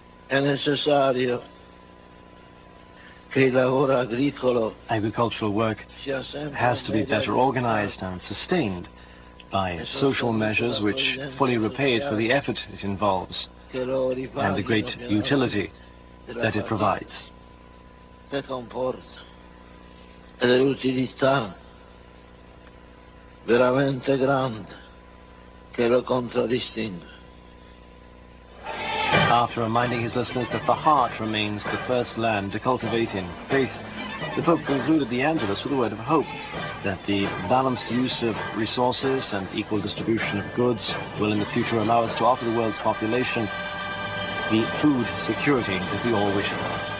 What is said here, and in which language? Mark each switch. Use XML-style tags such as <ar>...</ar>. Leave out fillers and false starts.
<en>Agricultural work has to be better organized and sustained by social measures which fully repay it for the effort it involves and the great utility that it provides.</en> <it>Ed è l'utilità veramente grande che lo contraddistingue.</it> <en>After reminding his listeners that the heart remains the first land to cultivate in faith, the Pope concluded the Angelus with a word of hope that the balanced use of resources and equal distribution of goods will in the future allow us to offer the world's population the food security that we all wish for.</en>